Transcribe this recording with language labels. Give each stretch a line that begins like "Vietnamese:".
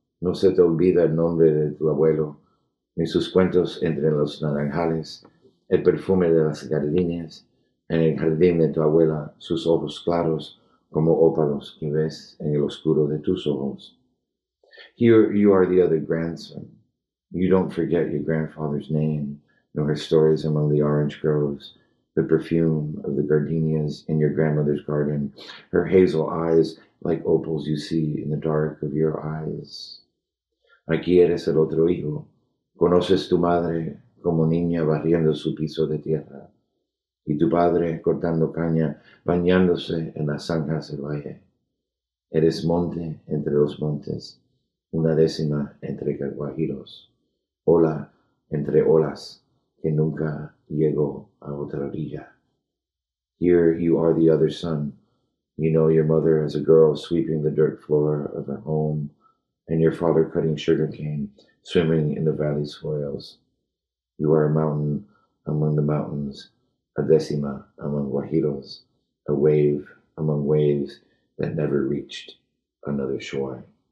Spanish: No se te olvida el nombre de tu abuelo, ni sus cuentos entre los naranjales, el perfume de las gardenias, en el jardín de tu abuela, sus ojos claros como ópalos que ves en el oscuro de tus ojos.
English: Here you are the other grandson. You don't forget your grandfather's name, nor his stories among the orange groves, the perfume of the gardenias in your grandmother's garden, her hazel eyes like opals you see in the dark of your eyes.
Spanish: Aquí eres el otro hijo. Conoces tu madre como niña barriendo su piso de tierra, y tu padre cortando caña, bañándose en las zanjas del valle. Eres monte entre los montes, una décima entre guajiros, ola entre olas que nunca llegó a otra orilla.
English: Here you are the other son. You know your mother as a girl sweeping the dirt floor of her home, and your father cutting sugarcane, swimming in the valley soils. You are a mountain among the mountains, a décima among guajiros, a wave among waves that never reached another shore.